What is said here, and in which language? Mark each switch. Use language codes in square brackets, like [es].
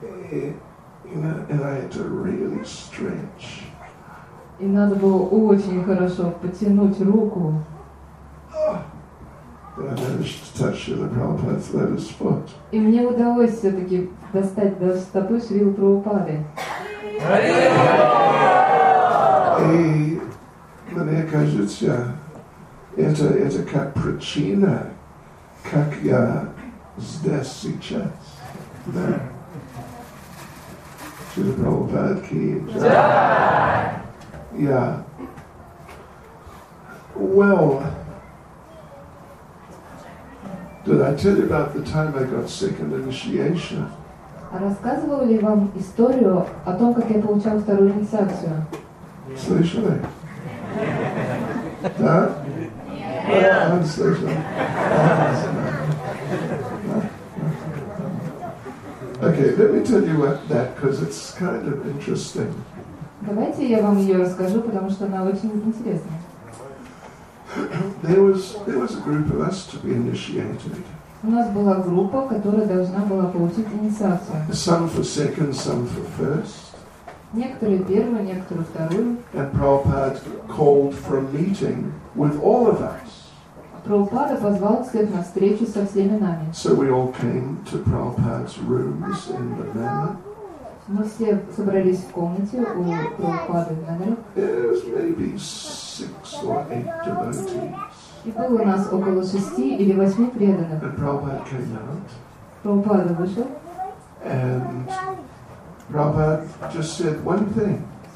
[en] You know, and I had to really stretch. [ru] И надо было очень хорошо потянуть руку. [en] I managed to touch the Prabhupada's lotus foot. [ru] И мне удалось все-таки достать до стопы Шрилы Прабхупады. И мне кажется, это как причина, как я здесь сейчас. Да. Шрила Прабхупада ки джай. Я. [en] Well, did I tell you about the time I got second initiation? [ru] А рассказывал ли вам историю о том, как я получал вторую инициацию? Слышали? Да? [en] Yeah. I'm slishing. Okay, let me tell you about that, because it's kind of interesting. [ru] Давайте я вам ее расскажу, потому что она очень интересная. [en] There was a group of us to be initiated. [ru] У нас была группа, которая должна была получить инициацию. [en] Some for second, some for first. [ru] Некоторые первую, некоторые вторую. [en] And Prabhupada called for a meeting with all of us. [ru] Прабхупада позвал всех на встречу со всеми нами. [en] So we all came to Prabhupada's rooms in the manor. [ru] Мы все собрались в комнате у Прабхупады в номере. [en] There was maybe 6 or 8 devotees. [ru] И было у нас около 6 или 8 преданных. [en] And Prabhupada came out. [ru] Прабхупада вышел. [en] And Prabhupada just said one thing.